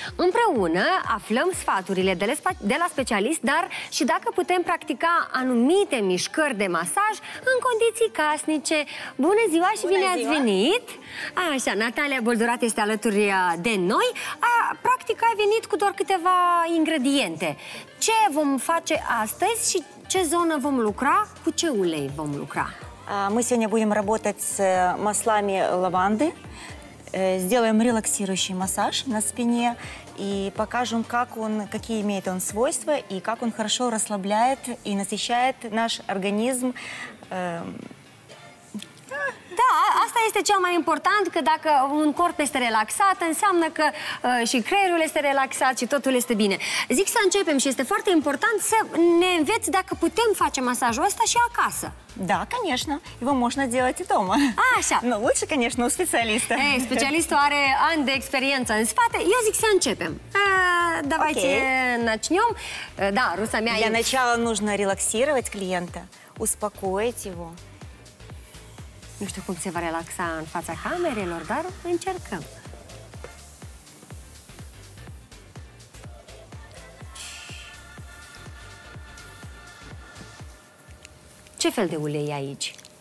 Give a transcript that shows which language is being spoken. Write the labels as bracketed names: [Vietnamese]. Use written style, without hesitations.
[Romanian] Împreună aflăm sfaturile de la specialist, dar și dacă putem practica anumite mișcări de masaj în condiții casnice. Bună ziua și bine ați venit! Așa, Natalia Boldurat este alături de noi. Practic ai venit cu doar câteva ingrediente. Ce vom face astăzi și ce zonă vom lucra? Cu ce ulei vom lucra? [Russian] Мы сегодня будем работать с маслами лаванды, сделаем релаксирующий массаж на спине и покажем, какие имеет он свойства и как он хорошо расслабляет и насыщает наш организм. [Romanian] Da, asta este cel mai important, că dacă un corp este relaxat, înseamnă că și creierul este relaxat și totul este bine. Zic să începem și este foarte important să ne înveți dacă putem face masajul ăsta și acasă. [Russian] Da, конечно. Его можно делать и дома. [Romanian] Așa. [Russian] Но лучше, конечно, у специалиста. [Romanian] Ei, specialistul are ani de experiență în spate. Eu zic să începem. [Russian] Давайте начнем. [Romanian] Da, Руса мя. [Russian] Для начала нужно релаксировать клиента, успокоить его. [Romanian] Nu știu cum se va relaxa în fața camerelor, dar încercăm. Ce fel de ulei e aici?